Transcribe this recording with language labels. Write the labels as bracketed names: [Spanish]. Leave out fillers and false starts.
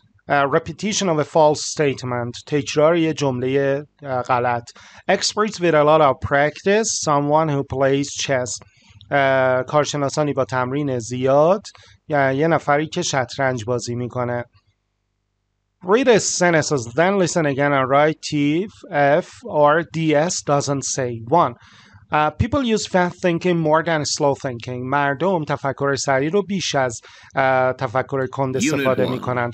[English] Repetition of a false statement، [Persian] تکرار یه جمله غلط. [English] Experts with a lot of practice، someone who plays chess، [Persian] کارشناسانی با تمرین زیاد، یه نفری که شطرنج بازی میکنه. [English] Read his sentences، then listen again and write TF or DS doesn't say. One، people use fast thinking more than slow thinking. [Persian] مردم تفکر سریع رو بیش از تفکر کند استفاده می کنند.